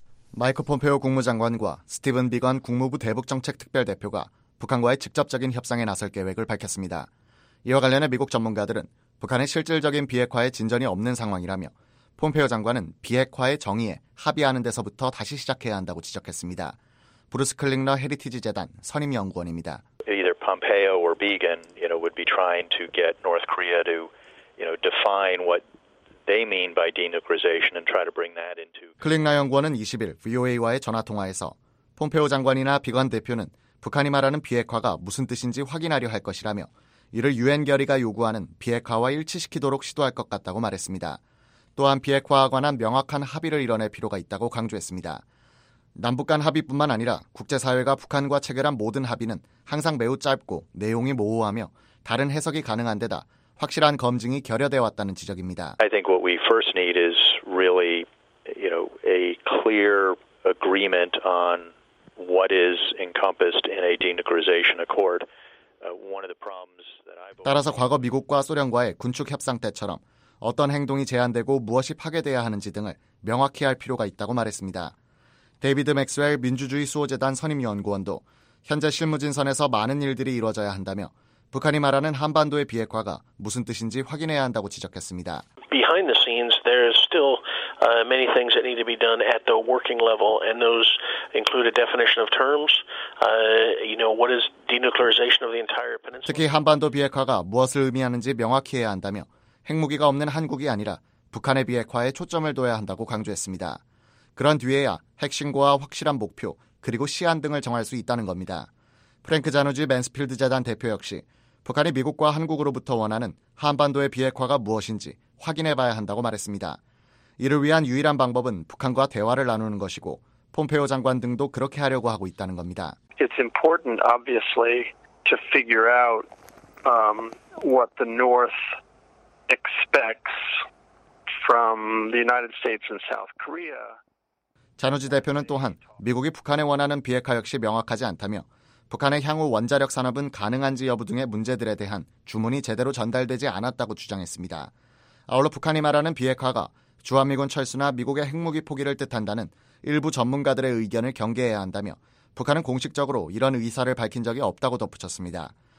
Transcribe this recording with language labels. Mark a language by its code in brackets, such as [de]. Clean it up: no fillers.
[ko] 마이크 폼페오 국무장관과 스티븐 비건 국무부 대북정책특별대표가 북한과의 직접적인 협상에 나설 계획을 밝혔습니다. 이와 관련해 미국 전문가들은 북한의 실질적인 비핵화에 진전이 없는 상황이라며 폼페오 장관은 비핵화의 정의에 합의하는 데서부터 다시 시작해야 한다고 지적했습니다. 브루스 클링너 헤리티지 재단 선임연구원입니다. [en] Either Pompeo or Biegun, you know, would be trying to get North Korea to, you know, define what they mean by denuclearization and try to bring that into. [ko] 클링너 연구원은 20일 VOA와의 전화 통화에서 폼페오 장관이나 비건 대표는 북한이 말하는 비핵화가 무슨 뜻인지 확인하려 할 것이라며 이를 유엔 결의가 요구하는 비핵화와 일치시키도록 시도할 것 같다고 말했습니다. 또한 비핵화와 관한 명확한 합의를 이뤄낼 필요가 있다고 강조했습니다. 남북 간 합의뿐만 아니라 국제사회가 북한과 체결한 모든 합의는 항상 매우 짧고 내용이 모호하며 다른 해석이 가능한 데다 확실한 검증이 결여되어 왔다는 지적입니다. [en] I think what we first need is really, you know, a clear agreement on what is encompassed in a denuclearization accord. One of the problems that I [ko] 따라서 과거 미국과 소련과의 군축 협상 때처럼 어떤 행동이 제한되고 무엇이 파괴되어야 하는지 등을 명확히 할 필요가 있다고 말했습니다. 데이비드 맥스웰 민주주의 수호재단 선임연구원도 현재 실무진선에서 많은 일들이 이루어져야 한다며 북한이 말하는 한반도의 비핵화가 무슨 뜻인지 확인해야 한다고 지적했습니다. [en] Behind the scenes, there is still many things that need to be done at the working level, and those include a definition of terms. You know, what is denuclearization of the entire peninsula? [ko] 특히 한반도 비핵화가 무엇을 의미하는지 명확히 해야 한다며 핵무기가 없는 한국이 아니라 북한의 비핵화에 초점을 둬야 한다고 강조했습니다. 그런 뒤에야 핵심과 확실한 목표 그리고 시한 등을 정할 수 있다는 겁니다. 프랭크 자누지 맨스필드 재단 대표 역시 북한이 미국과 한국으로부터 원하는 한반도의 비핵화가 무엇인지 확인해봐야 한다고 말했습니다. 이를 위한 유일한 방법은 북한과 대화를 나누는 것이고 폼페오 장관 등도 그렇게 하려고 하고 있다는 겁니다. [en] It's important, obviously, to figure out what the North expects from the United States and South Korea. [ko] 자누지 대표는 또한 미국이 북한에 원하는 비핵화 역시 명확하지 않다며 북한의 향후 원자력 산업은 가능한지 여부 등의 문제들에 대한 주문이 제대로 전달되지 않았다고 주장했습니다. 아울러 북한이 말하는 비핵화가 주한미군 철수나 미국의 핵무기 포기를 뜻한다는 일부 전문가들의 의견을 경계해야 한다며 북한은 공식적으로 이런 의사를 밝힌 적이 없다고 덧붙였습니다.